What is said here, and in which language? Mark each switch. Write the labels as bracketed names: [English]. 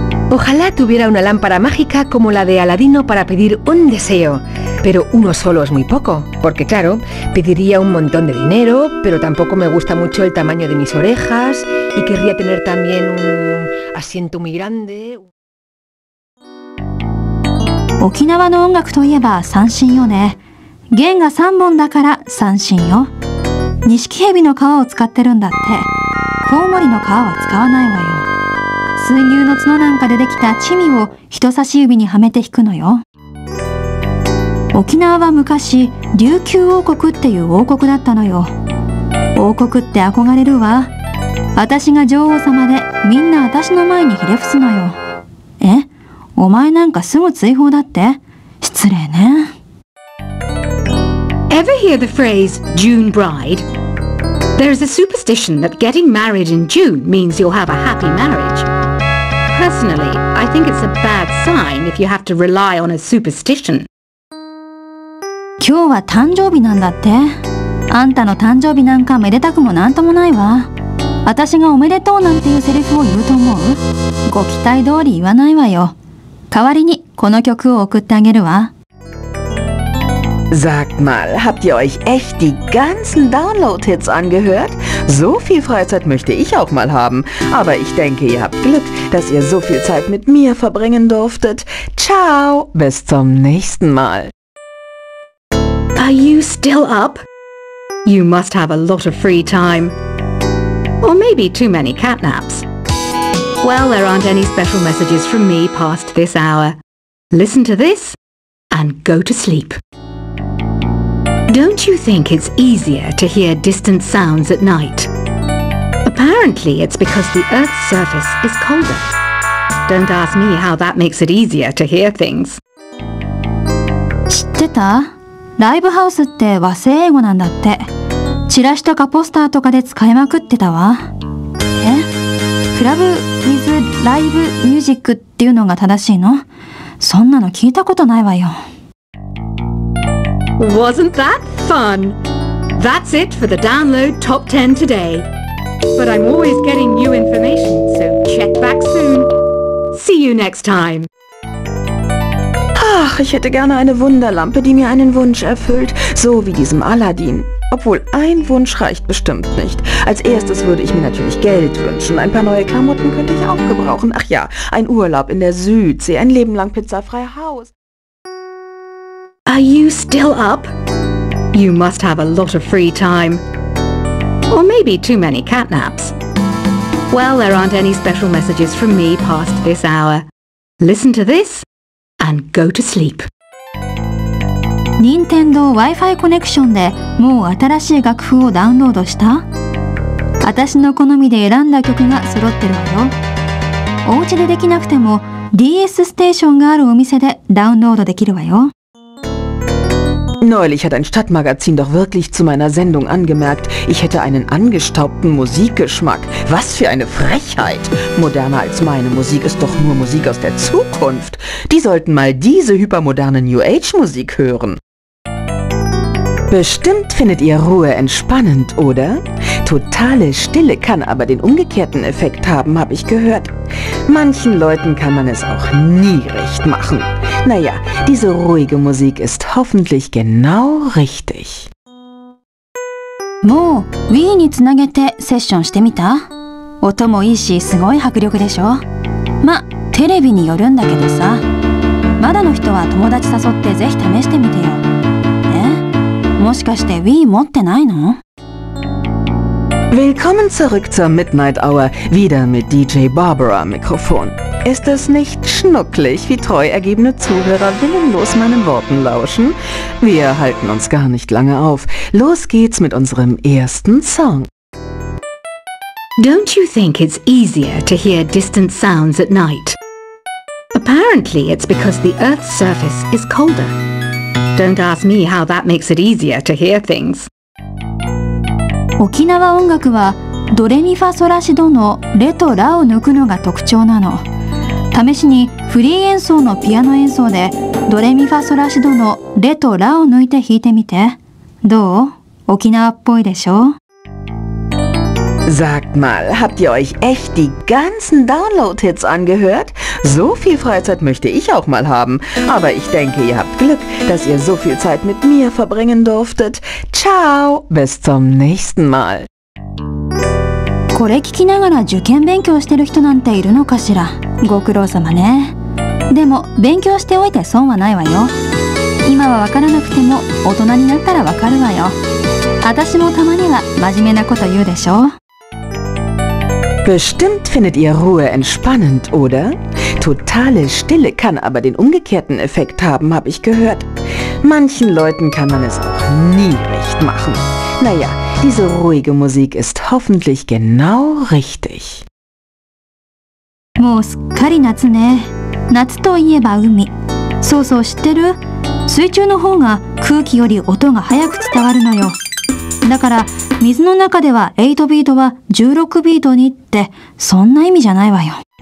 [Spanish] Ojalá tuviera una lámpara mágica como la de Aladino para pedir un deseo. Pero uno solo es muy poco, porque claro, pediría un montón de dinero, pero tampoco me gusta mucho el tamaño de mis orejas y querría tener también un asiento muy grande. [Japanese] 沖縄の音楽といえば三線よね。弦が三本だから三線よ。錦蛇の皮を使ってるんだって。コウモリの皮は使わないわよ。水牛の角なんかでできたチミを人差し指にはめて弾くのよ。沖縄は昔琉球王国っていう王国だったのよ。王国って憧れるわ。私が女王様でみんな私の前にひれ伏すのよ。え、お前なんかすぐ追放だって？失礼ね。 [English] Ever hear the phrase June bride? There is a superstition that getting married in June means you'll have a happy marriage. Personally, I think it's a bad sign if you have to rely on a superstition. [Japanese] 今日は誕生日なんだって。あんたの誕生日なんかめでたくもなんともないわ。私がおめでとうなんていうセリフを言うと思う？ご期待通り言わないわよ。代わりにこの曲を送ってあげるわ。 [German] Sag mal, habt ihr euch echt die ganzen Download-Hits angehört? So viel Freizeit möchte ich auch mal haben. Aber ich denke, ihr habt Glück, dass ihr so viel Zeit mit mir verbringen durftet. Ciao, bis zum nächsten Mal. [English] Are you still up? You must have a lot of free time. Or maybe too many catnaps. Well, there aren't any special messages from me past this hour. Listen to this and go to sleep. Don't you think it's easier to hear distant sounds at night? Apparently, it's because the Earth's surface is colder. Don't ask me how that makes it easier to hear things. [Japanese] 知ってた？ライブハウスって和製英語なんだって。チラシとかポスターとかで使いまくってたわ。え？クラブ・ウィズ・ライブ・ミュージックっていうのが正しいの？そんなの聞いたことないわよ。 [English] Wasn't that fun? That's it for the download top 10 today. But I'm always getting new information, so check back soon. See you next time. [German] Ach, ich hätte gerne eine Wunderlampe, die mir einen Wunsch erfüllt, so wie diesem Aladdin. Obwohl, ein Wunsch reicht bestimmt nicht. Als erstes würde ich mir natürlich Geld wünschen. Ein paar neue Klamotten könnte ich auch gebrauchen. Ach ja, ein Urlaub in der Südsee, ein Leben lang pizzafrei Haus. [English] Are you still up? You must have a lot of free time. Or maybe too many catnaps. Well, there aren't any special messages from me past this hour. Listen to this and go to sleep. [Japanese] Nintendo Wi-Fi コネクションでもう新しい楽譜をダウンロードした？私の好みで選んだ曲が揃ってるわよ。お家でできなくても DS ステーションがあるお店でダウンロードできるわよ。 [German] Neulich hat ein Stadtmagazin doch wirklich zu meiner Sendung angemerkt, ich hätte einen angestaubten Musikgeschmack. Was für eine Frechheit! Moderner als meine Musik ist doch nur Musik aus der Zukunft. Die sollten mal diese hypermoderne New Age Musik hören. Bestimmt findet ihr Ruhe entspannend, oder? Totale Stille kann aber den umgekehrten Effekt haben, habe ich gehört. Manchen Leuten kann man es auch nie recht machen. Naja, diese ruhige Musik ist hoffentlich genau richtig. [Japanese] もう Wii につなげてセッションしてみた？音もいいし、すごい迫力でしょ？ま、テレビによるんだけどさ。まだの人は友達誘ってぜひ試してみてよ。え？もしかして Wii 持ってないの？ [German] Willkommen zurück zur Midnight Hour, wieder mit DJ Barbara Mikrofon. Ist es nicht schnucklig, wie treu ergebene Zuhörer willenlos meinen Worten lauschen? Wir halten uns gar nicht lange auf. Los geht's mit unserem ersten Song. [English] Don't you think it's easier to hear distant sounds at night? Apparently it's because the Earth's surface is colder. Don't ask me how that makes it easier to hear things. [Japanese] 沖縄音楽はドレミファソラシドのレとラを抜くのが特徴なの。試しにフリー演奏のピアノ演奏でドレミファソラシドのレとラを抜いて弾いてみて。どう？沖縄っぽいでしょ？ [German] Sagt mal, habt ihr euch echt die ganzen Download-Hits angehört? So viel Freizeit möchte ich auch mal haben. Aber ich denke, ihr habt Glück, dass ihr so viel Zeit mit mir verbringen durftet. Ciao, bis zum nächsten Mal. [Japanese] これ聞きながら受験勉強してる人なんているのかしら。ご苦労様ね。でも勉強しておいて損はないわよ。今はわからなくても大人になったらわかるわよ。私もたまには真面目なこと言うでしょ。 [German] Bestimmt findet ihr Ruhe entspannend, oder? Totale Stille kann aber den umgekehrten Effekt haben, habe ich gehört. Manchen Leuten kann man es auch nie recht machen. Naja, diese ruhige Musik ist hoffentlich genau richtig. [Japanese] もうすっかり夏ね。夏といえば海。そうそう、知ってる？水中の方が空気より音が速く伝わるのよ。だから、水の中では 8 ビートは16ビートにって、そんな意味じゃないわよ。